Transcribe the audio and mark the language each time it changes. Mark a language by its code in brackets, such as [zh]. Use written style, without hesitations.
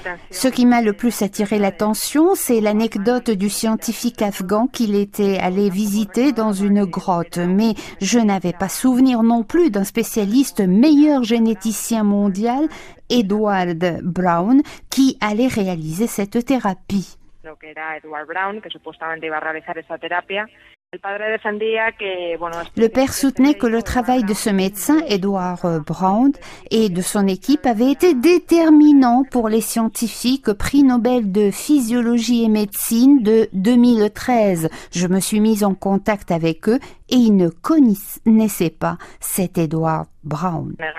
[fr] Ce qui m'a le plus attiré l'attention, c'est l'anecdote du scientifique afghan qu'il était allé visiter dans une grotte. Mais je n'avais pas souvenir non plus d'un spécialiste meilleur généticien mondial, Edward Brown, qui allait réaliser cette thérapie. [es] Que era Edward Brown, que supuestamente iba a realizar esa terapia. [fr] Le père soutenait que le travail de ce médecin, Edward Brown, et de son équipe avait été déterminant pour les scientifiques prix Nobel de physiologie et médecine de 2013. Je me suis mise en contact avec eux et ils ne connaissaient pas cet Edward Brown.